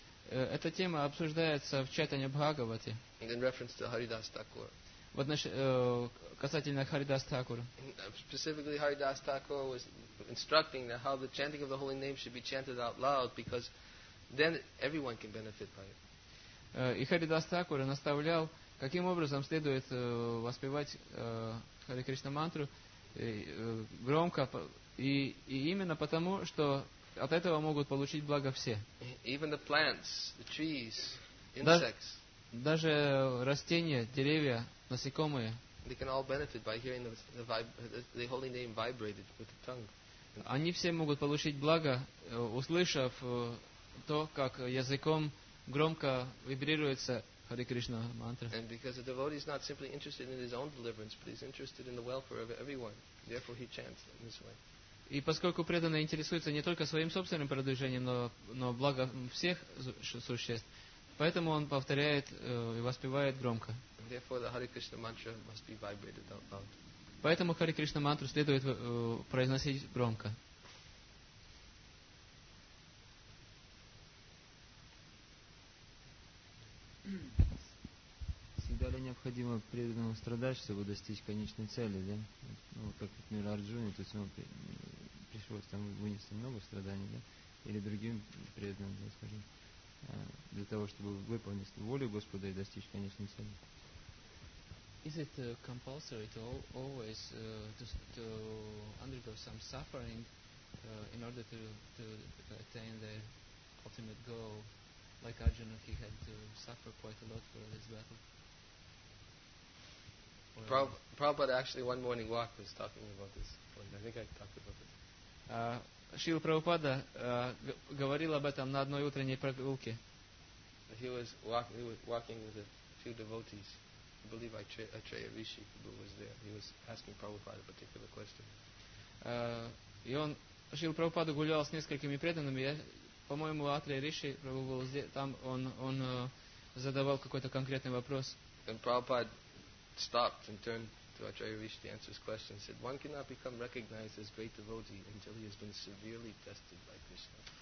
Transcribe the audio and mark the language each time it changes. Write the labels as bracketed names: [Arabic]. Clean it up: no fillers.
[Russian] Эта тема обсуждается в Чайтанья Бхагавате. [English] In reference to Haridas Thakur. [Russian] Касательно Haridas Thakur. [English] Specifically, Haridas Thakur was instructing that how the chanting of the holy name should be chanted out loud, because then everyone can benefit by it. [Russian] И Харидас Такура наставлял, каким образом следует воспевать Харе Кришна мантру громко, и именно потому, что от этого могут получить благо все. [English] Even the plants, the trees, insects. [Russian] Даже растения, деревья, насекомые. [English] They can all benefit by hearing the holy name vibrated with the tongue. [Russian] Они все могут получить благо, услышав то, как языком громко вибрируется Hare Krishna mantra. [English] And because the devotee is not simply interested in his own deliverance, but he's interested in the welfare of everyone, therefore he chants in this way. [Russian] И поскольку преданный интересуется не только своим собственным продвижением, но благом всех существ, поэтому он повторяет и воспевает громко. [English] Therefore the Hare Krishna mantra must be vibrated out loud. [Russian] Поэтому Хари Кришна мантру следует произносить громко. Всегда ли необходимо преданному страдать, чтобы достичь конечной цели, да? Ну, как, например, Арджуне, то есть ему пришлось там вынести много страданий, да? Или другим преданным, да, скажем, для того, чтобы выполнить волю Господа и достичь конечной цели. [English] Is it compulsory to always to undergo some suffering in order to attain the ultimate goal? Like Arjuna, he had to suffer quite a lot for this battle. Prabhupada actually one morning walk was talking about this. I think I talked about this. [Russian] Шрила Прабхупада говорил об этом на одной утренней прогулке. [English] He was walking with a few devotees. I believe Atreya Rishi who was there. He was asking Prabhupada a particular question. [Russian] И он, Шрила Прабхупада гулял с несколькими преданными. По-моему, Атрея Риши Прабху был здесь, там он задавал какой-то конкретный вопрос. [English] And Prabhupada stopped and turned to Atreya Rishi to answer his question and said, one cannot become recognized as great devotee until he has been severely tested by Krishna.